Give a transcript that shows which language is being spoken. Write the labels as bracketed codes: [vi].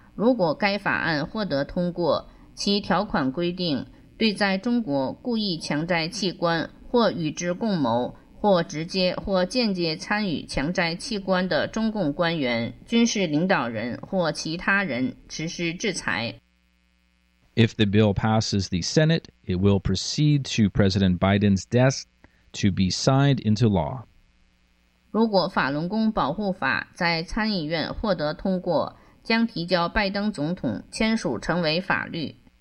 [zh] 如果该法案获得通过，其条款规定对在中国故意强摘器官或与之共谋或直接或间接参与强摘器官的中共官员、军事领导人或其他人实施制裁。 [en] If the bill passes the Senate, it will proceed to President Biden's desk to be signed into law. [zh] 如果法轮功保护法在参议院获得通过，将提交拜登总统签署成为法律。